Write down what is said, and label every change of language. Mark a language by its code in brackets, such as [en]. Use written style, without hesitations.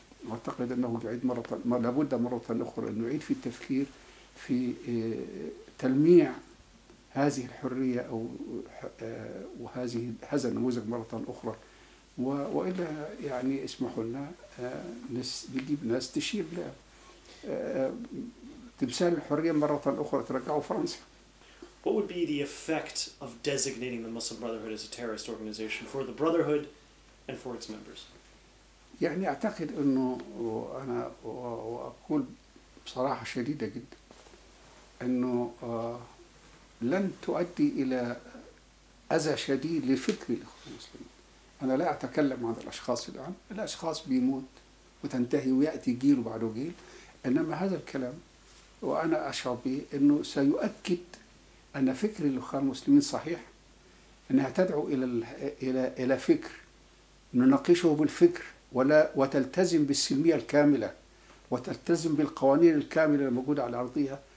[ar] أعتقد أنه يعيد مرة، ما لابد مرة أخرى أن يعيد في التفكير في تلميع هذه الحرية أو وهذه هذا النموذج مرة أخرى. وإلا يعني اسمحوا لنا نجيب ناس تشير لا تمثال الحرية مرة أخرى ترجعوا فرنسا. [en] What would be the effect of designating the Muslim Brotherhood as a terrorist organization for the Brotherhood and for its members? [ar] يعني أعتقد إنه أنا وأقول بصراحة شديدة جدا إنه لن تؤدي إلى أذى شديد لفكر الإخوة المسلمين. أنا لا أتكلم عن الأشخاص الآن، الأشخاص بيموت وتنتهي ويأتي جيل بعد جيل، إنما هذا الكلام وأنا أشعر به إنه سيؤكد أن فكر الإخوة المسلمين صحيح، أنها تدعو إلى إلى إلى فكر نناقشه بالفكر، ولا وتلتزم بالسلمية الكاملة وتلتزم بالقوانين الكاملة الموجودة على أرضها.